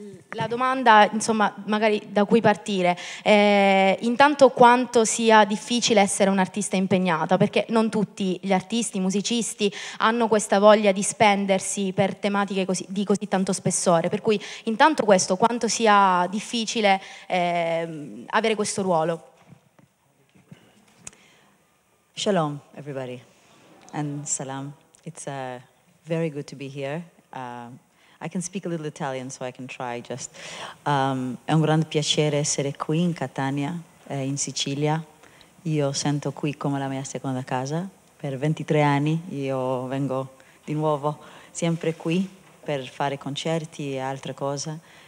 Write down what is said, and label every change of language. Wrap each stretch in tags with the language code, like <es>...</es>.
<it>La domanda, insomma, magari da cui partire, intanto quanto sia difficile essere un'artista impegnata, perché non tutti gli artisti, i musicisti hanno questa voglia di spendersi per tematiche così, di così tanto spessore, per cui intanto questo, quanto sia difficile avere questo ruolo.</it> <en>Shalom everybody and salam, it's very good to be here. I can speak a little Italian, so I can try just.</en> <it>È un grande piacere essere qui in Catania, in Sicilia. Io sento qui come la mia seconda casa. Per 23 anni io vengo di nuovo sempre qui per fare concerti e altre cose.</it>